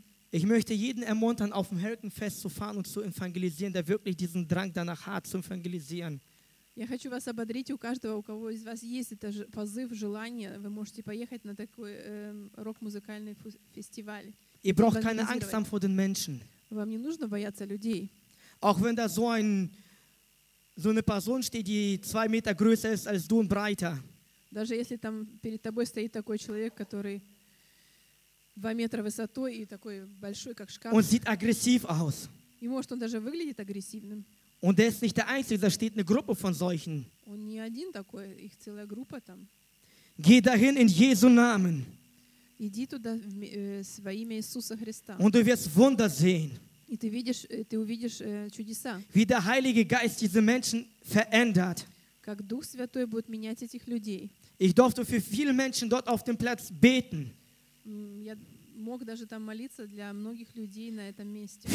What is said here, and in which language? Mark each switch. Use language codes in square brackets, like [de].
[de] Ich möchte jeden ermuntern, auf dem Helgenfest zu fahren und zu evangelisieren, der wirklich diesen Drang danach hat, zu evangelisieren. [ru] Я хочу вас ободрить, у каждого, у кого из вас есть этот позыв, желание, вы можете поехать на такой рок-музыкальный фестиваль. [de] Ihr braucht keine Angst haben vor den Menschen. [ru] Вам не нужно бояться людей. [de] Auch wenn da so eine Person steht, die 2 Meter größer ist als du und breiter. [ru] Даже если там перед тобой стоит такой человек, который 2 метра высотой и такой большой, как шкаф. Он [de] sieht aggressiv aus. [ru] И может он даже выглядит агрессивным. [de] Und er ist nicht der Einzige, da steht eine Gruppe von solchen. Und [ru] не один такой, их целая группа там. [de] Geh dahin in Jesu Namen. [ru] Иди туда во имя Иисуса Христа. [de] Und du wirst Wunder sehen. [ru] И ты увидишь чудеса. [de] Wie der Heilige Geist diese Menschen verändert. [ru] Как Дух Святой будет менять этих людей. [de] Ich durfte für viele Menschen dort auf dem Platz beten. [ru] Я мог даже там молиться для многих людей на этом месте.